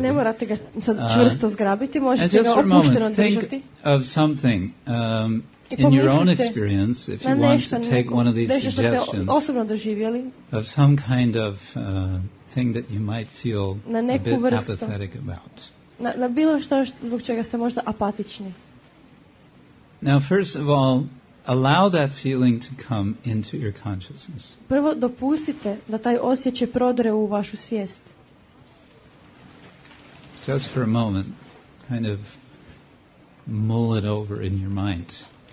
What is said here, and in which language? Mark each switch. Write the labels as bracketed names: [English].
[Croatian] Ne morate ga sad čvrsto zgrabiti. Možete ga opušteno držati. [English] And just for a moment, think of something. In your own experience, if you want to take one of these suggestions of some kind of thing that you might feel a bit apathetic about. [Croatian] Na bilo što zbog čega ste možda apatični. [English] Now, first of all, allow that feeling to come into your consciousness. [Croatian] Prvo, dopustite da taj osjećaj prodre u vašu svijest. [English] Just for a moment, kind of mull it over in your mind.